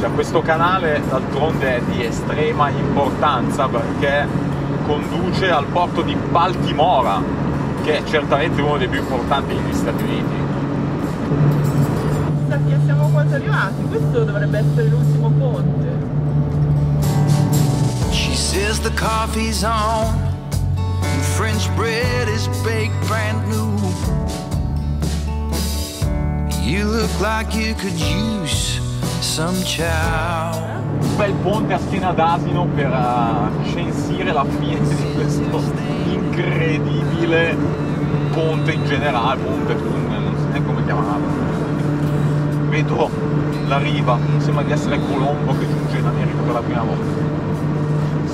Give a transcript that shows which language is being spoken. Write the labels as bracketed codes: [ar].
[it] Cioè, questo canale d'altronde è di estrema importanza perché conduce al porto di Baltimora, che è certamente uno dei più importanti degli Stati Uniti. Chissà, siamo quasi arrivati, questo dovrebbe essere l'ultimo ponte. [en] She says the coffee's on. French bread is baked brand new. You look like you could use some chow. [it] Un bel ponte a schiena d'asino per censire la fine di questo incredibile ponte in generale, ponte tunnel, non so come chiamarlo. Vedo la riva, sembra di essere Colombo che giunge in America per la prima volta.